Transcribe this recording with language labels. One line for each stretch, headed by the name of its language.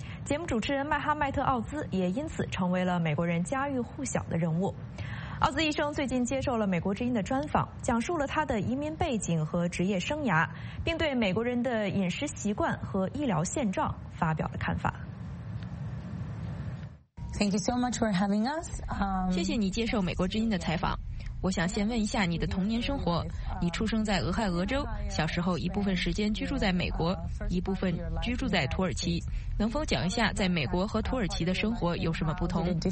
Chinese: 节目主持人麦哈迈特·奥兹也因此成为了美国人家喻户晓的人物。奥兹医生最近接受了美国之音的专访，讲述了他的移民背景和职业生涯，并对美国人的饮食习惯和医疗现状发表了看法。
English: Thank you so much for having us.
Chinese: 谢谢你接受美国之音的采访。我想先问一下你的童年生活，你出生在俄亥俄州，小时候一部分时间居住在美国，一部分居住在土耳其，能否讲一下在美国和土耳其的生活有什么不同？